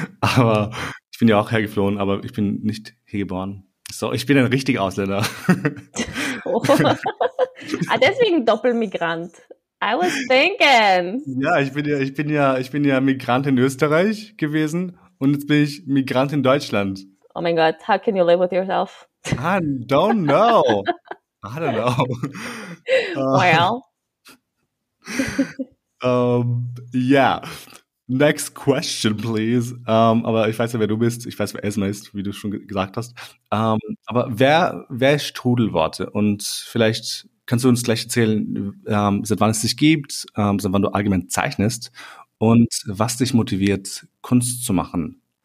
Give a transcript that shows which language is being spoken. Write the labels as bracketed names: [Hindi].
[German] Aber ich bin ja auch hergeflohen, aber ich bin nicht hier geboren. So, ich bin ein richtiger Ausländer. [English] Oh. Ah, [German] deswegen Doppelmigrant. [English] I was thinking. [German] Ja, ich bin ja Migrant in Österreich gewesen und jetzt bin ich Migrant in Deutschland. Oh mein Gott, [English] how can you live with yourself? I don't know. I don't know. Well. yeah, next question, please. [German] Aber ich weiß ja, wer du bist. Ich weiß, wer Esma ist, wie du schon gesagt hast. Aber wer ist Strudelworte? Und vielleicht kannst du uns gleich erzählen, seit wann es dich gibt, seit wann du allgemein zeichnest und was dich motiviert, Kunst zu machen?